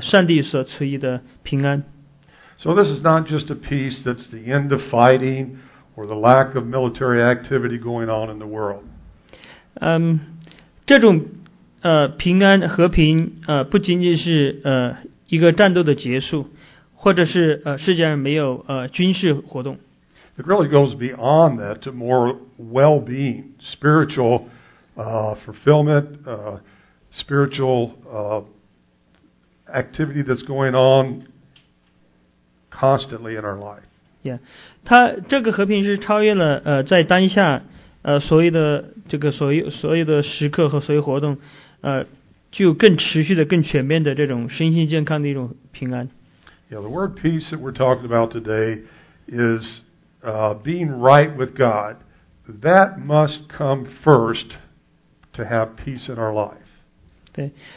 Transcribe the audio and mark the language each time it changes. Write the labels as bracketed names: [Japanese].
[Chinese] 圣经中都有这刚刚说这两种意思，但上帝最想让你明白的是内在的属灵的上帝所赐予的平安。 [English] So this is not just a peace that's the end of fighting or the lack of military activity going on in the world. [Chinese] 这种平安和平不仅仅是一个战斗的结束，或者是世界上没有军事活动。 [English] It really goes beyond that to more well-being, spiritual fulfillment, spiritual activity that's going on constantly in our life. [Chinese] Yeah, 它这个和平是超越了在当下所有的时刻和所有活动，就更持续的、更全面的这种身心健康的一种平安。 [English] Yeah, the word peace that we're talking about today is being right with God, that must come first to have peace in our life.